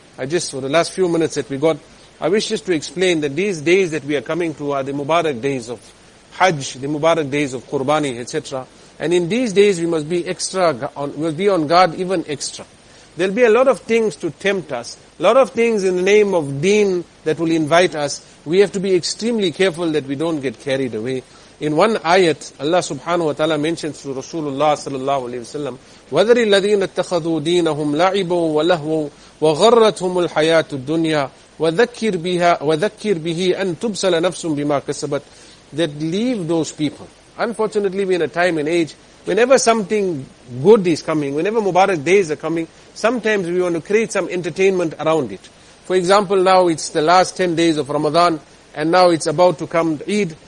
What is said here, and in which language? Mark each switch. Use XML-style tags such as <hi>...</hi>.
<en>For the last few minutes that we got, I wish just to explain that these days that we are coming to are the Mubarak days of Hajj, the Mubarak days of Qurbani, etc. And in these days, we must be extra, must be on guard even extra. There'll be a lot of things to tempt us, a lot of things in the name of Deen that will invite us. We have to be extremely careful that we don't get carried away. In one ayat, Allah subhanahu wa ta'ala mentions to Rasulullah sallallahu alayhi wa sallam,</en> <ar>وَذَرِ الَّذِينَ اتَّخَذُوا دِينَهُمْ لَعِبًا وَلَهْوًا وَغَرَّتْهُمُ الْحَيَاةُ الدُّنْيَا وَذَكِّرْ بِهِ أَن تُبْسَلَ نَفْسٌ بِمَا كَسَبَتْ.</ar> <en>That leave those people. Unfortunately, we're in a time and age, whenever something good is coming, whenever Mubarak days are coming, sometimes we want to create some entertainment around it. For example, now it's the last 10 days of Ramadan, and now it's about to come Eid.</en>